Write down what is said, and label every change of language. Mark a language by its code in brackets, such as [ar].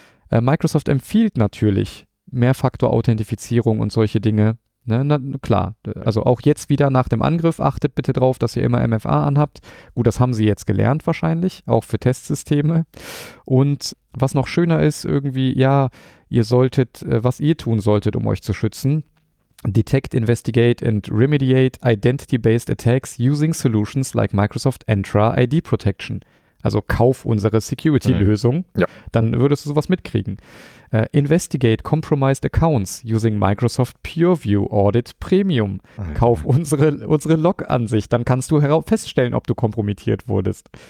[de] Microsoft empfiehlt natürlich Mehrfaktor-Authentifizierung und solche Dinge. Ne? Na, klar, also auch jetzt wieder nach dem Angriff, achtet bitte drauf, dass ihr immer MFA anhabt. Gut, das haben sie jetzt gelernt wahrscheinlich, auch für Testsysteme. Und was noch schöner ist irgendwie, ja, ihr solltet, was ihr tun solltet, um euch zu schützen. [en] Detect, investigate and remediate identity-based attacks using solutions like Microsoft Entra ID Protection. [de] Also kauf unsere Security-Lösung, dann würdest du sowas mitkriegen. [en] Investigate compromised accounts using Microsoft PureView Audit Premium. [de] Kauf unsere Log-Ansicht, dann kannst du feststellen, ob du kompromittiert wurdest.